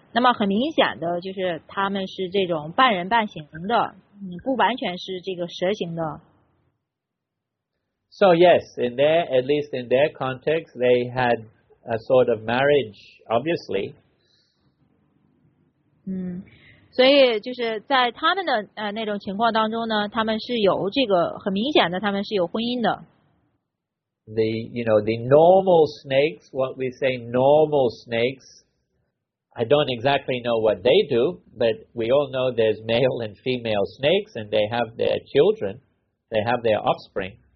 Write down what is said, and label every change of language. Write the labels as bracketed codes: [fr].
[zh] 那么很明显的就是他们是这种半人半形的，不完全是这个蛇形的。 [en] So yes, in their at least in their context, they had a sort of marriage, obviously. [zh] 所以就是在他们的那种情况当中呢，他们是有这个很明显的，他们是有婚姻的。 [en] The, you know, the normal snakes, what we say normal snakes, I don't exactly know what they do, but we all know there's male and female snakes and they have their children, they have their offspring.